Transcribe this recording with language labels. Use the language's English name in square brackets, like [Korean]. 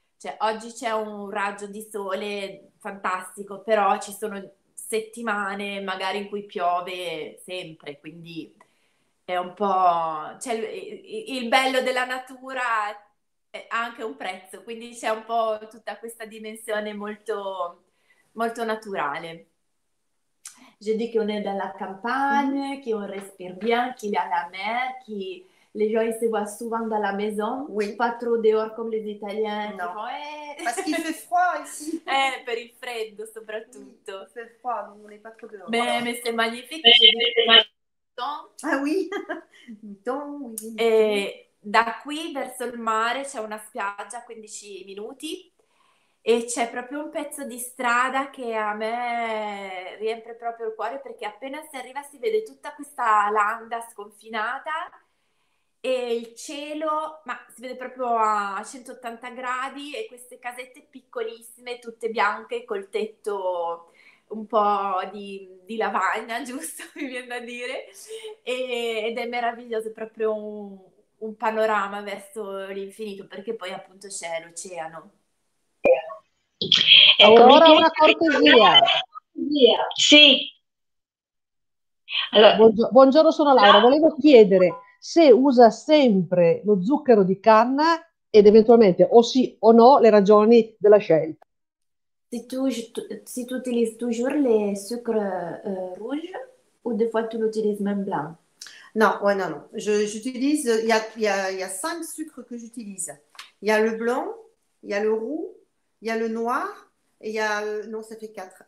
[Italian] Cioè, oggi c'è un raggio di sole fantastico, però ci sono settimane magari in cui piove sempre, quindi è un po'... cioè, il bello della natura ha anche un prezzo, quindi c'è un po' tutta questa dimensione molto, molto naturale. [French] Je dis qu'on est dans la campagne, qu'on respire bien, qu'il y a la mer, que les gens ils se voient souvent dans la maison, oui. Pas trop dehors comme les Italiens. Non. Ouais. Parce qu'il fait froid ici. [Italian] Per il freddo soprattutto. [French] Il fait froid, donc on n'est pas trop dehors. Mais c'est magnifique. Ah oui. Oui. [Italian] Et da qui verso il mare c'è una spiaggia, 15 minuti. E c'è proprio un pezzo di strada che a me riempie proprio il cuore, perché appena si arriva si vede tutta questa landa sconfinata e il cielo, ma si vede proprio a 180 gradi, e queste casette piccolissime, tutte bianche, col tetto un po' di lavagna, giusto, mi viene da dire, ed è meraviglioso, proprio un panorama verso l'infinito, perché poi appunto c'è l'oceano. Allora, una cortesia. Sì. Allora, buongiorno, sono Laura. Volevo chiedere se usa sempre lo zucchero di canna, ed eventualmente o sì o no le ragioni della scelta. [French] Si tu utilizzi toujours le sucre rouge o de fois tu l'utilizzi même blanc? Non, ouais, non, non. J'utilise, il y a 5 sucres que j'utilise. Il y a le blanc, il y a le roux, il y a le noir, et il y a... Non, ça fait 4.